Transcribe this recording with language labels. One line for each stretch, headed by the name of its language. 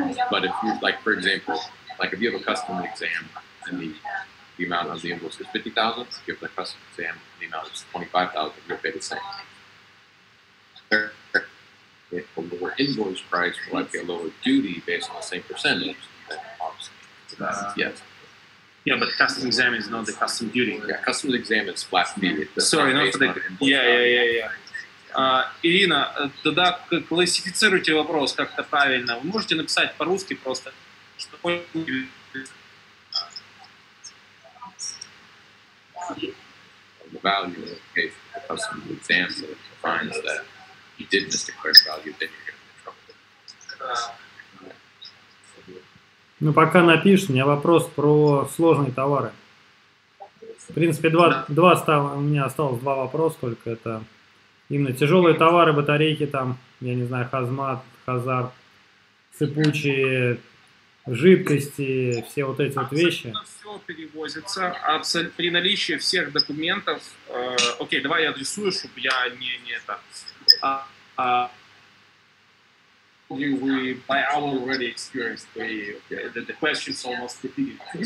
English: But if you, like, for example, like if you have a customs exam and the amount of the invoice is $50,000, if you have the customs exam and the amount is $25,000, you'll pay the same. If a lower invoice price, will I pay a lower duty based on the same percentage? Then obviously, yes. Yeah, but customs exam is not the custom duty. Yeah, customs exam is flat fee. Sorry, not for the invoice.
Russian: Ирина, тогда классифицируйте вопрос как-то правильно. Вы можете написать по-русски просто, что
English: the value of the custom exam defines that you did miss the correct value, then you're going to be in trouble.
Russian: Ну, пока напишешь, у меня вопрос про сложные товары. В принципе, два вопроса только. Это именно тяжелые товары, батарейки там, я не знаю, хазмат, хазар, сыпучие, жидкости, все вот эти абсолютно вот вещи. Все перевозится при наличии всех документов. Окей, давай я адресую, чтобы я не это.
English: We by our already experience the questions almost repeated.